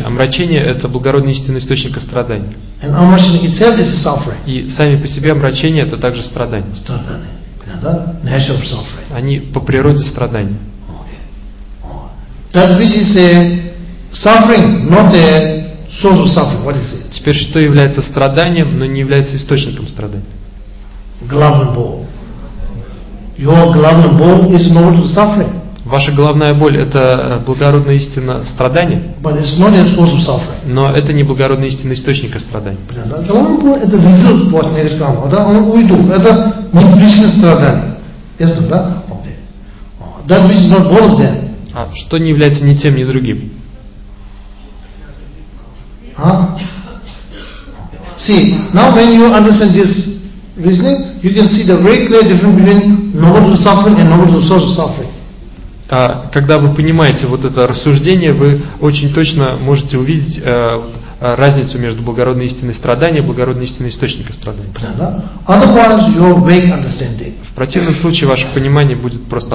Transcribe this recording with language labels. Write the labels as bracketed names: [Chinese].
[Russian] Омрачение — это благородный истинный источник страданий. [English] And омрачение itself is suffering. [Russian] И сами по себе омрачение — это также страдание. [English] Страдание. Yeah, nature of suffering. [Russian] Они по природе страдания. [English] Okay. That which is a suffering, not a source of suffering. What is it? [Russian] Теперь что является страданием, но не является источником страдания? Главный боль. [English] Your главный боль is not to suffering. [Russian] Ваша головная боль — это благородная истина страдания. [English] But it's not a source of suffering. [Russian] Но это не благородная истина источника страданий. [English] Это result what needs to come. [Russian] Да, он уйдет. Это не причина страдания. Ясно, да? [English] Okay. That which is not both of them. [Russian] А что не является ни тем, ни другим? А? [English] See, now when you understand this reasoning, you can see the very clear difference between noble suffering and noble source of suffering. [Russian] А когда вы понимаете вот это рассуждение, вы очень точно можете увидеть разницу между благородной истиной страдания и благородной истиной источника страдания. В противном случае ваше понимание будет просто